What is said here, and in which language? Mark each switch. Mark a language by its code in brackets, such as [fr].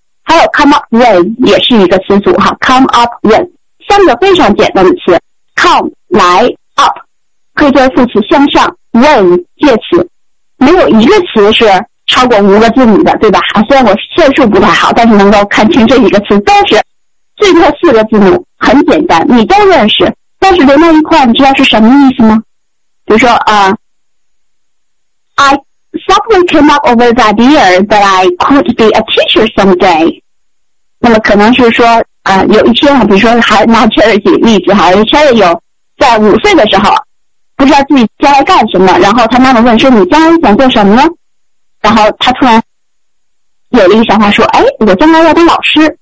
[zh] 还有 come up with 也是一个词组哈， come up with 三个非常简单的词， come 来， up 可以作为副词向上， with 介词，没有一个词是超过五个字母的，对吧？虽然我算数不太好，但是能够看清这一个词都是最多四个字母，很简单，你都认识，但是连到一块你知道是什么意思吗？比如说 [en] I suddenly came up over the idea that I could be a teacher someday。 [zh] 那么可能是说有一天，比如说还拿 Charity 例子哈， Charity 有在五岁的时候不知道自己将来干什么，然后他妈妈问说你将来想做什么呢，然后他突然有了一个想法说哎，我将来要当老师。